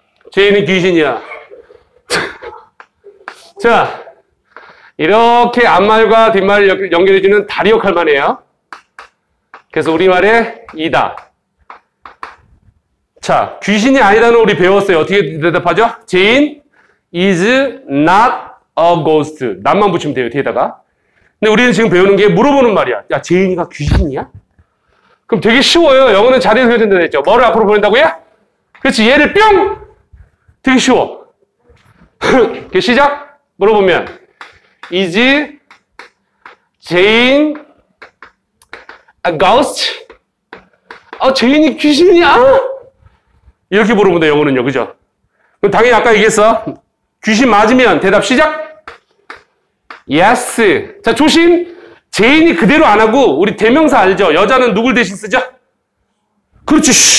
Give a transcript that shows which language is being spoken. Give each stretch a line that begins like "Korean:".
Korean: 제인이 귀신이야. 자, 이렇게 앞말과 뒷말을 연결해주는 다리 역할만 해요. 그래서 우리말에 이다. 자, 귀신이 아니라는 우리 배웠어요. 어떻게 대답하죠?
English: 제인 is not a ghost.
Korean: 난만 붙이면 돼요, 뒤에다가. 근데 우리는 지금 배우는 게 물어보는 말이야. 야, 제인이가 귀신이야? 그럼 되게 쉬워요. 영어는 자리에서 해야 된다고 했죠. 뭐를 앞으로 보낸다고요? 그렇지, 얘를 뿅! 되게 쉬워. 이렇게 시작.
English: 물어보면 Is Jane a ghost?
Korean: 아, 제인이 귀신이야? 이렇게 물어보면 돼, 영어는요. 그죠? 그럼 당연히 아까 얘기했어. 귀신 맞으면 대답 시작. Yes. 자, 조심. 제인이 그대로 안 하고 우리 대명사 알죠? 여자는 누굴 대신 쓰죠? 그렇지.